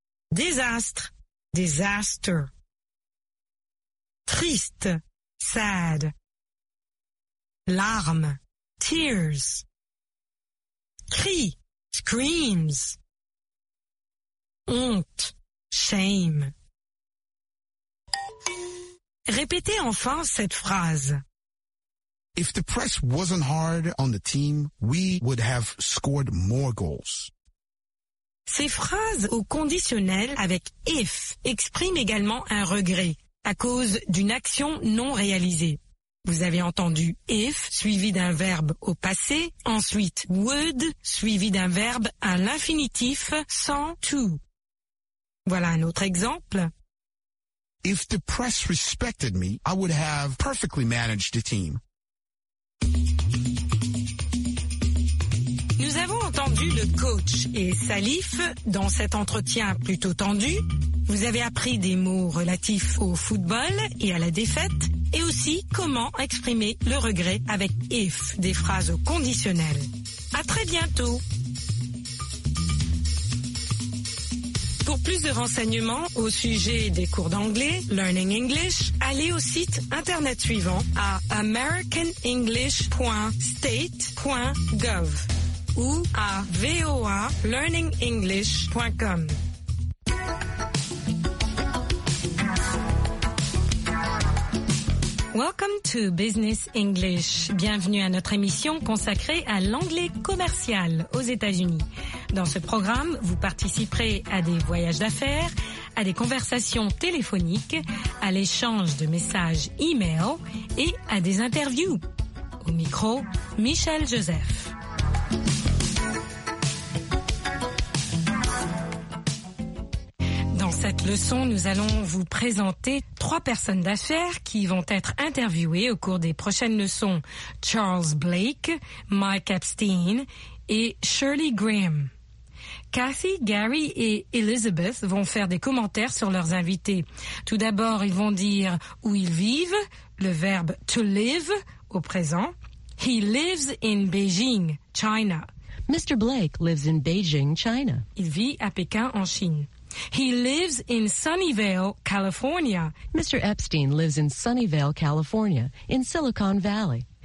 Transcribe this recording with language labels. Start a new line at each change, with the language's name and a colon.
French: Désastre, disaster. Triste, sad. Larmes, tears. Crie, screams. Honte, shame. Répétez enfin cette phrase.
English: If the press wasn't hard on the team, we would have scored more goals.
French: Ces phrases au conditionnel avec if expriment également un regret à cause d'une action non réalisée. Vous avez entendu if suivi d'un verbe au passé, ensuite would suivi d'un verbe à l'infinitif sans to. Voilà un autre exemple.
English: If the press respected me, I would have perfectly managed the team.
French: Nous avons entendu le coach et Salif dans cet entretien plutôt tendu. Vous avez appris des mots relatifs au football et à la défaite et aussi comment exprimer le regret avec if, des phrases conditionnelles. À très bientôt. Pour plus de renseignements au sujet des cours d'anglais, Learning English, allez au site internet suivant à americanenglish.state.gov ou à voalearningenglish.com.
English: Welcome to Business English.
French: Bienvenue à notre émission consacrée à l'anglais commercial aux États-Unis. Dans ce programme, vous participerez à des voyages d'affaires, à des conversations téléphoniques, à l'échange de messages e-mail et à des interviews. Au micro, Michel Joseph. Dans cette leçon, nous allons vous présenter trois personnes d'affaires qui vont être interviewées au cours des prochaines leçons. Charles Blake, Mike Epstein et Shirley Graham. Kathy, Gary et Elizabeth vont faire des commentaires sur leurs invités. Tout d'abord, ils vont dire où ils vivent, le verbe to live au présent.
English: He lives in Beijing, China. Mr. Blake lives in Beijing, China.
French: Il vit à Pékin, en Chine.
English: He lives in Sunnyvale, California. Mr. Epstein lives in Sunnyvale, California, in Silicon Valley.